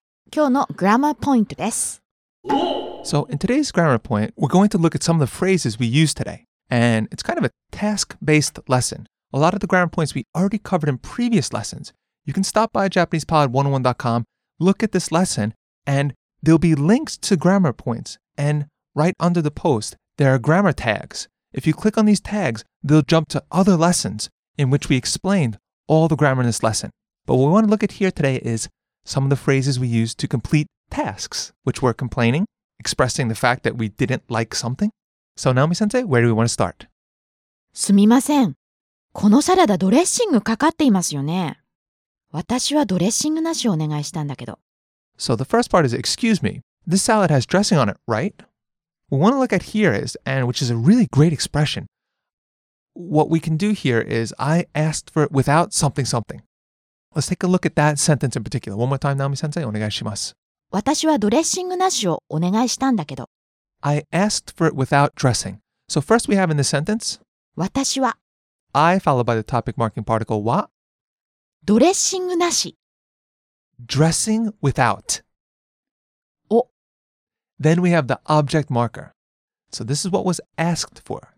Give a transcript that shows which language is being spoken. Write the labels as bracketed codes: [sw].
[ja] 今日のグラマーポイントです。 [en] So in today's grammar point, we're going to look at some of the phrases we use today. And it's kind of a task-based lesson. A lot of the grammar points we already covered in previous lessons. You can stop by JapanesePod101.com, look at this lesson, and there'll be links to grammar points. And right under the post, there are grammar tags. If you click on these tags, they'll jump to other lessons in which we explained all the grammar in this lesson. But what we want to look at here today is some of the phrases we use to complete tasks, which were complaining, expressing the fact that we didn't like something. So Naomi-sensei, where do we want to start? [ja] すみません。このサラダドレッシングかかっていますよね。私はドレッシングなしをお願いしたんだけど。 [en] So the first part is, excuse me, this salad has dressing on it, right? What we want to look at here is, and which is a really great expression, what we can do here is, I asked for it without something something. Let's take a look at that sentence in particular. One more time, Naomi-sensei, お願いします。 [ja] 私はドレッシングなしをお願いしたんだけど。 [en] I asked for it without dressing. So first we have in the sentence, [ja] 私は [en] I followed by the topic marking particle は [ja] ドレッシングなし [en] Dressing without [ja] お [en] Then we have the object marker. So this is what was asked for.